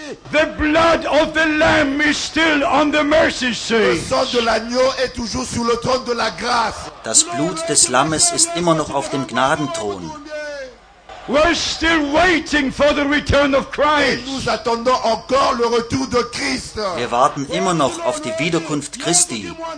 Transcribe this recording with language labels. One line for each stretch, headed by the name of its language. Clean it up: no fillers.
English: The blood of the lamb is still on the mercy seat.
French: Le sang de l'agneau est toujours sur le trône de la grâce.
German: Das Blut des Lammes ist immer noch auf dem Gnadenthron.
English: We're still waiting for the return of Christ.
French: Nous attendons encore le retour de Christ.
German: Wir warten immer noch auf die Wiederkunft Christi.